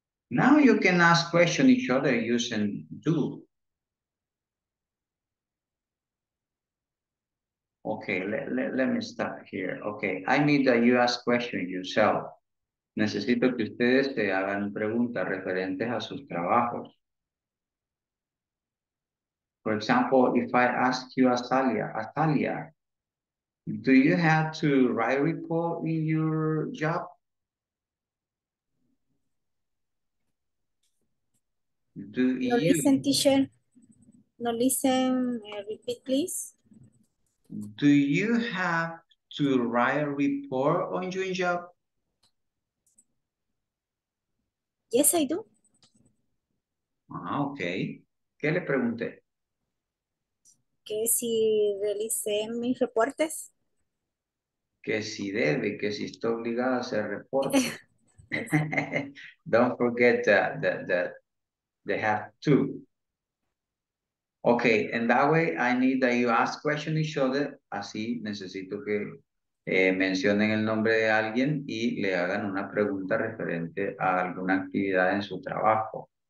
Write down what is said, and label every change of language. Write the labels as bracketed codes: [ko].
[en] Now you can ask questions each other using do. Okay, let me start here. Okay, I need that you ask questions yourself. [es] Necesito que ustedes te hagan preguntas referentes a sus trabajos. [en] For example, if I ask you, Atalia, do you have to write a report in your job? Do no you? Listen, teacher. No listen, repeat, please. Do you have to write a report on your job? Yes, I do. [es] Ah, okay. ¿Qué le pregunté? Que si realicé mis reportes. Que si debe, que si está obligado a hacer reportes. [en] Don't forget that they have to. Okay, and that way I need that you ask questions each other. [es] Así necesito que mencionen el nombre de alguien y le hagan una pregunta referente a alguna actividad en su trabajo.